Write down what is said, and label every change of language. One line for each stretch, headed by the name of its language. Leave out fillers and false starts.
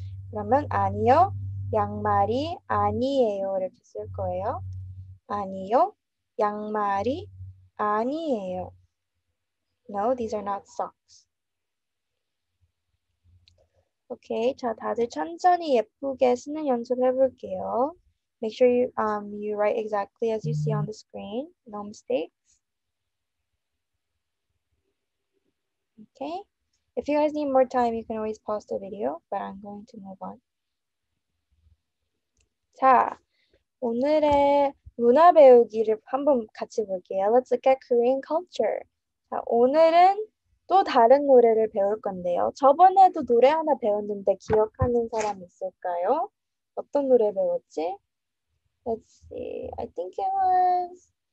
Korean: 그러면 아니요, 양말이 아니에요. 이렇게 쓸 거예요. 아니요, 양말이 아니에요.
English: No, these are not socks.
Korean: 오케이, 자, 다들 천천히 예쁘게 쓰는 연습을 해볼게요.
English: Make sure you write exactly as you see on the screen. No mistake. Okay, if you guys need more time, you can always pause the video, but I'm going to move on.
Korean: 자, 오늘의 문화 배우기를 한번 같이 볼게요.
English: Let's look at Korean culture.
Korean: 자, 오늘은 또 다른 노래를 배울 건데요. 저번에도 노래 하나 배웠는데 기억하는 사람 있을까요? 어떤 노래 배웠지? Let's see, I think it was...